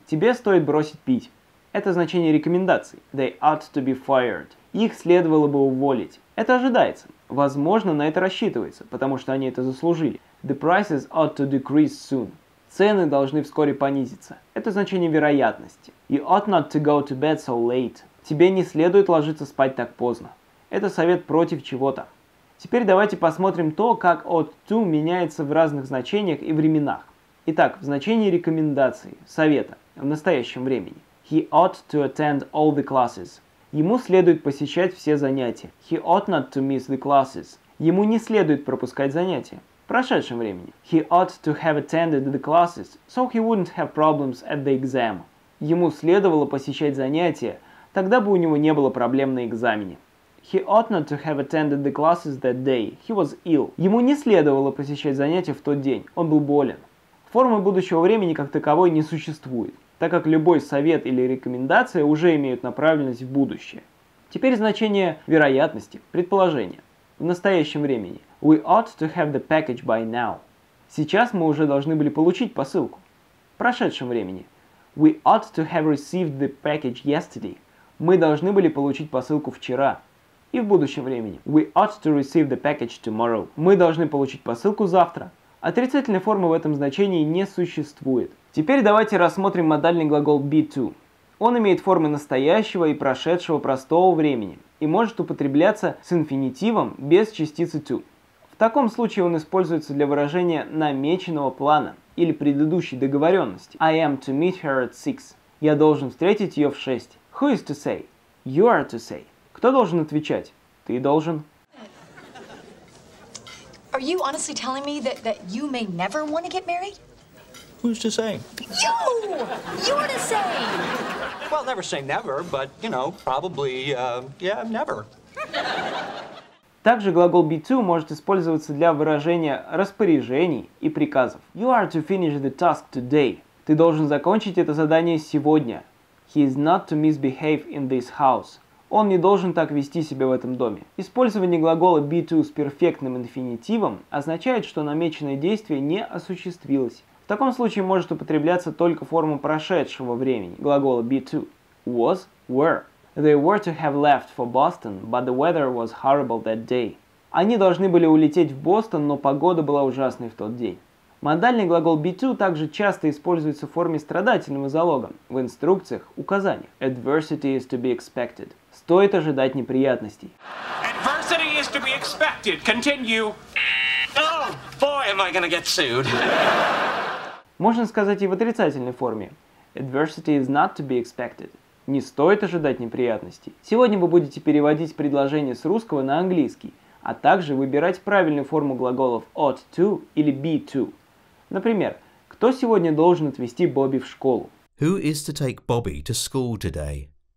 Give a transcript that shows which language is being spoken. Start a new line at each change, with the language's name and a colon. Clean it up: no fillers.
Russian: Тебе стоит бросить пить. Это значение рекомендаций.
English: They ought to be fired.
Russian: Их следовало бы уволить. Это ожидается. Возможно, на это рассчитывается, потому что они это заслужили.
English: The prices ought to decrease soon.
Russian: Цены должны вскоре понизиться. Это значение вероятности.
English: You ought not to go to bed so late.
Russian: Тебе не следует ложиться спать так поздно. Это совет против чего-то. Теперь давайте посмотрим то, как ought to меняется в разных значениях и временах. Итак, в значении рекомендации, совета, в настоящем времени.
English: He ought to attend all the classes.
Russian: Ему следует посещать все занятия.
English: He ought not to miss the classes.
Russian: Ему не следует пропускать занятия. В прошедшем времени.
English: He ought to have attended the classes, so he wouldn't have problems at the exam.
Russian: Ему следовало посещать занятия, тогда бы у него не было проблем на экзамене.
English: He ought not to have attended the classes that day. He was ill.
Russian: Ему не следовало посещать занятия в тот день. Он был болен. Формы будущего времени как таковой не существует, так как любой совет или рекомендация уже имеют направленность в будущее. Теперь значение вероятности, предположения. В настоящем времени.
English: We ought to have the package by now.
Russian: Сейчас мы уже должны были получить посылку. В прошедшем времени.
English: We ought to have received the package yesterday.
Russian: Мы должны были получить посылку вчера. И в будущем времени.
English: We ought to receive the package tomorrow.
Russian: Мы должны получить посылку завтра. Отрицательной формы в этом значении не существует. Теперь давайте рассмотрим модальный глагол be to. Он имеет формы настоящего и прошедшего простого времени и может употребляться с инфинитивом без частицы to. В таком случае он используется для выражения намеченного плана или предыдущей договоренности.
English: I am to meet her at 6.
Russian: Я должен встретить ее в 6.
English: Who is to say? You are to say.
Russian: Кто должен отвечать? Ты должен.
English: Are you honestly telling me that you may never want to get married? Who's to say? You! You're to say! Well, never say never, but, you know, probably, yeah, never.
Russian: Также глагол be to может использоваться для выражения распоряжений и приказов.
English: You are to finish the task today.
Russian: Ты должен закончить это задание сегодня.
English: He is not to misbehave in this house.
Russian: Он не должен так вести себя в этом доме. Использование глагола be to с перфектным инфинитивом означает, что намеченное действие не осуществилось. В таком случае может употребляться только форма прошедшего времени глагола be to.
English: Was, were. They were to have left for Boston, but the weather was horrible that day.
Russian: Они должны были улететь в Бостон, но погода была ужасной в тот день. Модальный глагол be to также часто используется в форме страдательного залога в инструкциях, указаниях.
English: Adversity is to be expected.
Russian: Стоит ожидать неприятностей.
English: Adversity is to be expected. Continue. Oh, boy, am I gonna get sued.
Russian: Можно сказать и в отрицательной форме.
English: Adversity is not to be expected.
Russian: Не стоит ожидать неприятностей. Сегодня вы будете переводить предложение с русского на английский, а также выбирать правильную форму глаголов ought to или be to. Например, кто сегодня должен отвезти Бобби в школу?
English: Who is to take Bobby to school today?